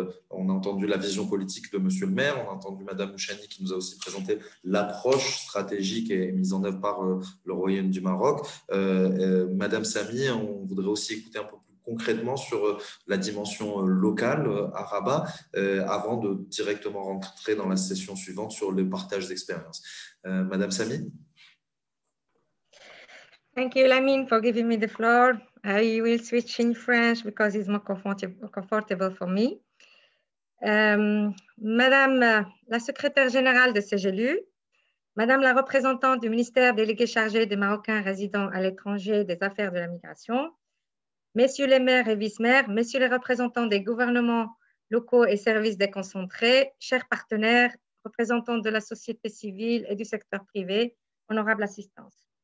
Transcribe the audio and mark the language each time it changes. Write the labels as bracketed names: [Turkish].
[French] On a entendu la vision politique de Monsieur le maire, on a entendu Madame Mouchani qui nous a aussi présenté l'approche stratégique et mise en œuvre par le Royaume du Maroc. Madame Sami, on voudrait aussi écouter un peu plus concrètement sur la dimension locale à Rabat, avant de directement rentrer dans la session suivante sur le partage d'expérience. Madame Sami. [English] Thank you, Lamine, for giving me the floor. I will switch in French because it's more comfortable for me. [French] Madame la secrétaire générale de CGLU, Madame la représentante du ministère délégué chargé des Marocains résidant à l'étranger des affaires de la migration, Messieurs les maires et vice-maires, messieurs les représentants des gouvernements locaux et services déconcentrés, chers partenaires, représentants de la société civile et du secteur privé, honorable assistance.